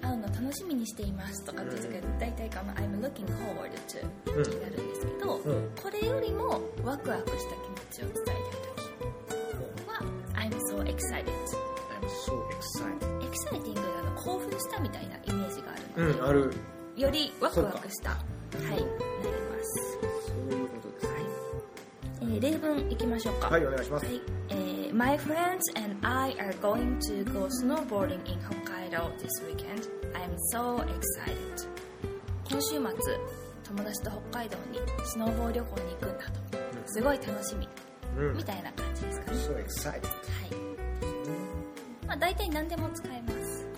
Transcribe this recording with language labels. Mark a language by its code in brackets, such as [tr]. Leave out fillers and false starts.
[ja] い、会うの楽しみにしていますとかって言うと、大体この [en] I'm looking forward to [ja] になるんですけど、うん、これよりもワクワクした気持ちを伝えたいときは、うん、 [en] I'm so excited。 I'm so excited。 [ja] Exciting が興奮したみたいなイメージがあるので、うん、ある、よりワクワクした、はい、なります。そういうことです、はい、例文いきましょうか。はい、お願いします、 [en] はい、My friends and I are going to go snowboarding in Hokkaido this weekend. I am so excited. [ja] 今週末、友達と北海道にスノーボー旅行に行くんだと。すごい楽しみ、うん、みたいな感じですかね。 [en] So excited. [ja] はい。まあ大体何でも使えます。